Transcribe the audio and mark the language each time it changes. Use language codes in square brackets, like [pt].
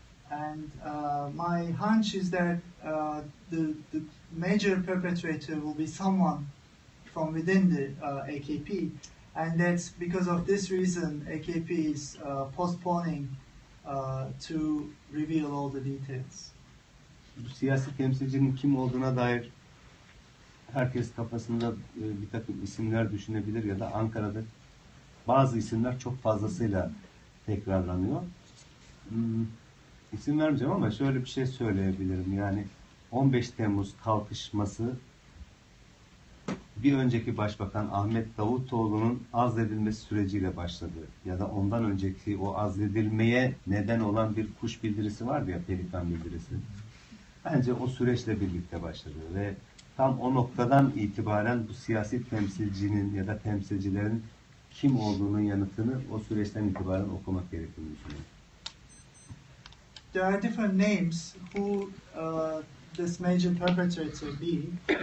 [en] And my hunch is that the major perpetrator will be someone from within the AKP. And that's because of this reason AKP is postponing to reveal all the details. [tr] Bu siyasi temsilcinin kim olduğuna dair herkes kafasında bir takım isimler düşünebilir ya da Ankara'da bazı isimler çok fazlasıyla tekrarlanıyor. İsim vermeyeceğim ama şöyle bir şey söyleyebilirim. Yani 15 Temmuz kalkışması bir önceki başbakan Ahmet Davutoğlu'nun azledilmesi süreciyle başladı. Ya da ondan önceki o azledilmeye neden olan bir kuş bildirisi vardı ya, pelikan bildirisi. Bence o süreçle birlikte başladı ve tam o noktadan itibaren bu siyasi temsilcinin ya da temsilcilerin kim olduğunun yanıtını o süreçten itibaren okumak gerektiğini düşünüyorum. [en] There are different names who this major perpetrator be.